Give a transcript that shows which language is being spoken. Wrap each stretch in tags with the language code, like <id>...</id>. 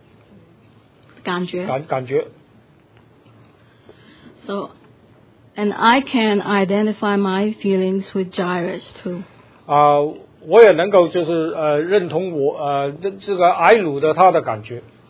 <zh>他是可以认同我们的感觉。</zh> <en>So, and I can identify my feelings with Jairus too.</en> <zh>我也能够认同这个埃鲁的他的感觉。</zh>